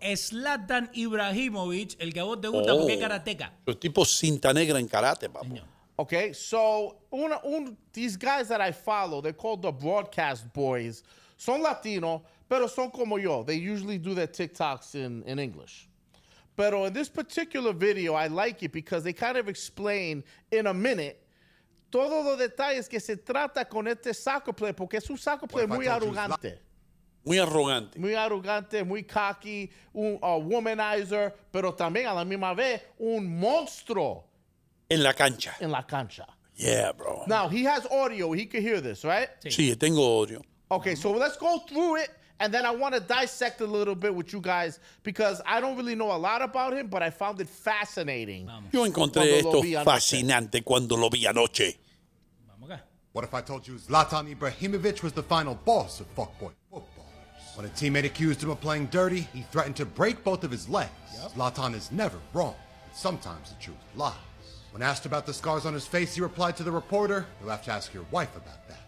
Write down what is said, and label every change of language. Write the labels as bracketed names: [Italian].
[Spanish] Zlatan Ibrahimovic, el que a vos te gusta porque es karateka. El tipo cinta negra en karate, papá. [English] Okay, so, these guys that I follow, they're called the broadcast boys, [Spanish] son latinos. Pero son como yo. [English] They usually do their TikToks in English. [Spanish] Pero [English] in this particular video, I like it because they kind of explain in a minute [Spanish] todos los detalles que se trata con este [English] soccer player, [Spanish] porque es un [English] soccer player [Spanish] muy arrogante. Muy arrogante, muy cocky, un womanizer, pero también a la misma vez un monstruo. En la cancha. [English] Yeah, bro. Now, he has audio. He can hear this, right? [Spanish] Sí, tengo audio. [English] Okay, so let's go through it. And then I want to dissect a little bit with you guys because I don't really know a lot about him, but I found it fascinating. [Spanish] Vamos. Yo encontré esto fascinante cuando lo vi anoche. Vamos acá. [English] What if I told you Zlatan Ibrahimovic was the final boss of fuckboy footballers? When a teammate accused him of playing dirty, he threatened to break both of his legs. Yep. Zlatan is never wrong. Sometimes the truth lies. When asked about the scars on his face, he replied to the reporter, "You'll have to ask your wife about that."